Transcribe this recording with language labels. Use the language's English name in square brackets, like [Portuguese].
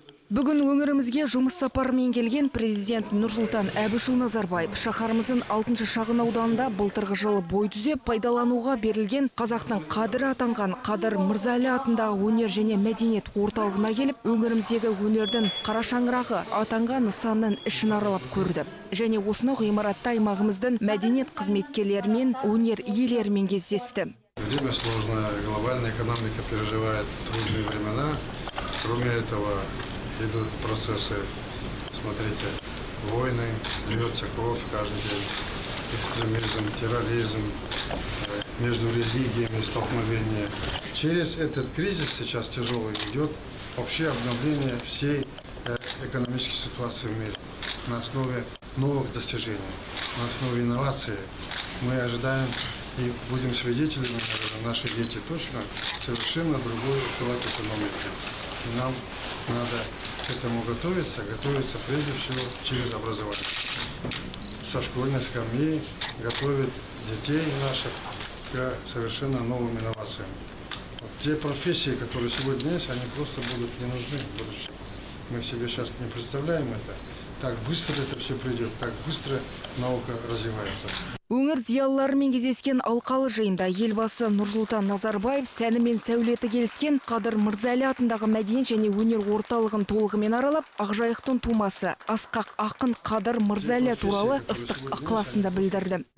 [Kazakh] Бүгін өңірімізге жұмыс сапарымен келген президент Нұрсұлтан Әбішұлы Назарбаев шаһарымыздың 6-шы шағын ауданында былтырғы жылы бой түзеп пайдалануға берілген қазақтың қадыры атанған Қадыр Мырза Әлі атындағы өнер және мәдениет орталығына келіп өңіріміздегі өнердің қара шаңырағы атанған нысанның ішін аралап көрді. Және осыны ғимаратта аймағымыздың мәдениет қызметкерлерімен өнер иелерімен кездесті. [Russian] Время сложное, глобальная экономика переживает трудные времена. Кроме этого, идут процессы, смотрите, войны, льется кровь каждый день, экстремизм, терроризм, между религиями столкновения. Через этот кризис сейчас тяжелый идет вообще обновление всей экономической ситуации в мире на основе новых достижений, на основе инноваций. Мы ожидаем и будем свидетелями, наши дети точно, совершенно другой уклад экономики. И нам надо к этому готовиться, прежде всего через образование. Со школьной скамьи готовить детей наших к совершенно новым инновациям. Вот те профессии, которые сегодня есть, они просто будут не нужны в будущем. Мы себе сейчас не представляем это. Так быстро это все придет, так быстро наука развивается. [Kazakh] Өңір зиялыларымен кездескен алқалы жиында елбасы Нұрсұлтан Назарбаев сәнімен сәулеті келіскен Қадыр Мырза Әлі атындағы мәдениет және өнер орталығын толығымен аралап, Ақжайықтың тумасы асқақ ақын Қадыр Мырза Әлі туралы ыстық ықыласында білдірді.